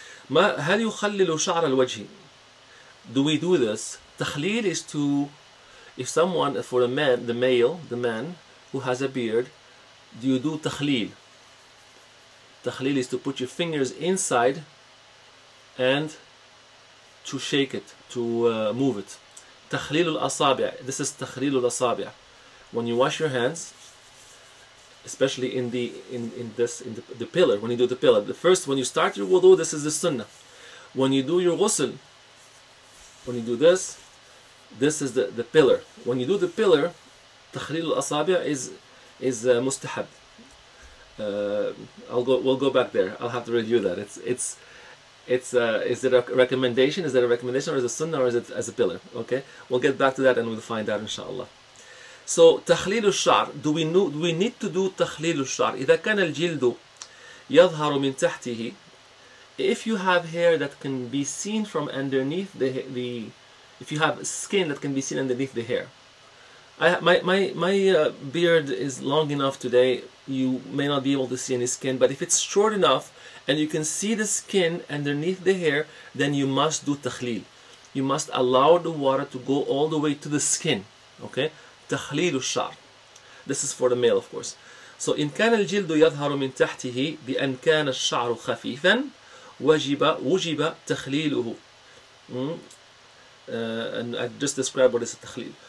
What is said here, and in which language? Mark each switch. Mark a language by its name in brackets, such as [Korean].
[Arabic] ما هل يخلل شعر الوجه؟ [English] Do we do this? تخليل is to, if someone, for a man, the male, the man who has a beard, do you do تخليل? تخليل is to put your fingers inside and to shake it, to move it. تخليل الأصابع. This is تخليل الأصابع. When you wash your hands, especially in the pillar, when you do the pillar, the first, when you start your wudu, this is the sunnah. When you do your ghusl, when you do this, this is the pillar. When you do the pillar, تخليل الأصابع is مستحب. We'll go back there. I'll have to review that. Is it a recommendation? Is that a recommendation, or is it a sunnah, or is it as a pillar? Okay, we'll get back to that, and we'll find out, inshallah. [Arabic] So تخليل الشعر, [English] do we need to do [Arabic] تخليل الشعر إذا كان الجلد يظهر من تحته? [English] If you have hair that can be seen from underneath the if you have skin that can be seen underneath the hair, my beard is long enough today. You may not be able to see any skin, but if it's short enough and you can see the skin underneath the hair, then you must do تخليل. You must allow the water to go all the way to the skin. [Arabic] Okay. تخليل الشعر. [English] This is for the male, of course. So [Arabic] إن كان الجلد يظهر من تحته بأن كان الشعر خفيفا وجب تخليله. [English] And I just described what is التخليل.